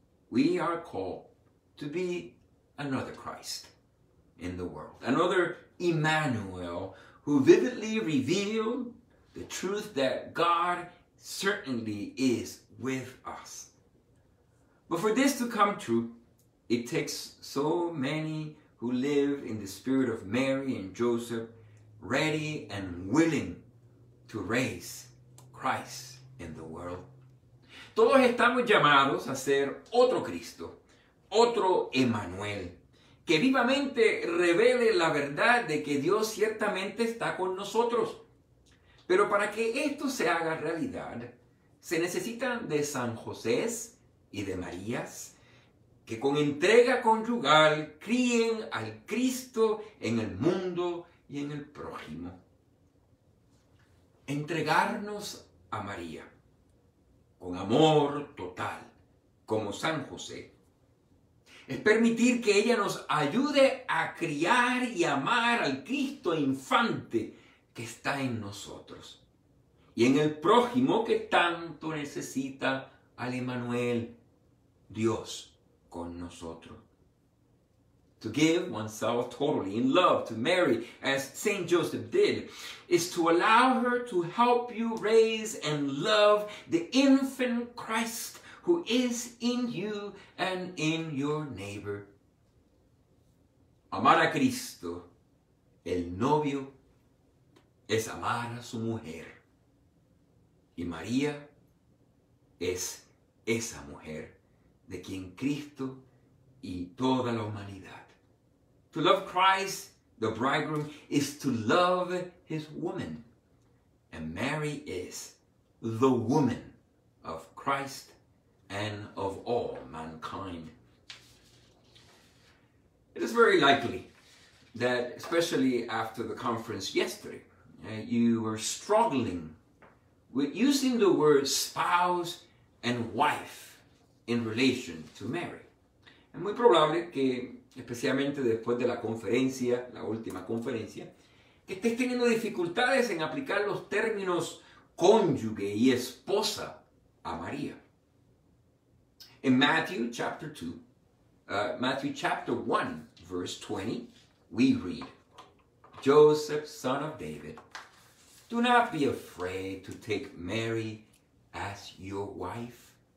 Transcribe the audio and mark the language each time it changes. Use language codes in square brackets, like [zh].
[en] We are called to be another Christ in the world, another Emmanuel who vividly revealed the truth that God certainly is with us. But for this to come true, it takes so many who live in the spirit of Mary and Joseph, ready and willing to raise Christ in the world. [es] Todos estamos llamados a ser otro Cristo, otro Emmanuel, que vivamente revele la verdad de que Dios ciertamente está con nosotros. Pero para que esto se haga realidad, se necesitan de San José y de Marías, que con entrega conyugal críen al Cristo en el mundo y en el prójimo. Entregarnos a María con amor total, como San José, es permitir que ella nos ayude a criar y amar al Cristo infante que está en nosotros y en el prójimo que tanto necesita al Emmanuel, Dios con nosotros. [en] To give oneself totally in love to Mary, as Saint Joseph did, is to allow her to help you raise and love the infant Christ who is in you and in your neighbor. [es] Amar a Cristo, el novio, es amar a su mujer. Y María es esa mujer de quien Cristo y toda la humanidad. [en] To love Christ, the bridegroom, is to love his woman. And Mary is the woman of Christ and of all mankind. It is very likely that, especially after the conference yesterday, you were struggling with using the words spouse and wife in relation to Mary. [es] Es muy probable que, especialmente después de la conferencia, la última conferencia, que estés teniendo dificultades en aplicar los términos cónyuge y esposa a María. [en] In Matthew chapter 1, verse 20, we read, Joseph, son of David, do not be afraid to take Mary as your wife.